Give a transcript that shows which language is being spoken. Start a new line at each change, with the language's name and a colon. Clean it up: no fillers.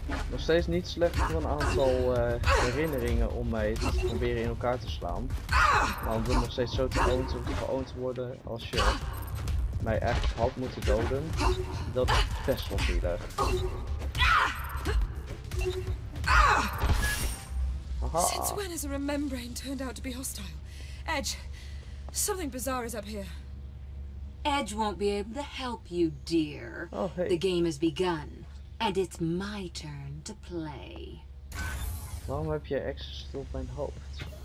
Dutch: Nog steeds niet slecht voor een aantal herinneringen om mij te proberen in elkaar te slaan. Maar om nog steeds zo geoond te worden als je... mij echt had moeten doden, dat is best wel zielig.
English: Since when is a membrane turned out to be hostile? Edge, something bizarre is up here. Edge won't be able to help you, dear. Oh, hey. The game has begun, and it's my turn to play.
Dutch: Waarom heb je access op mijn hoofd?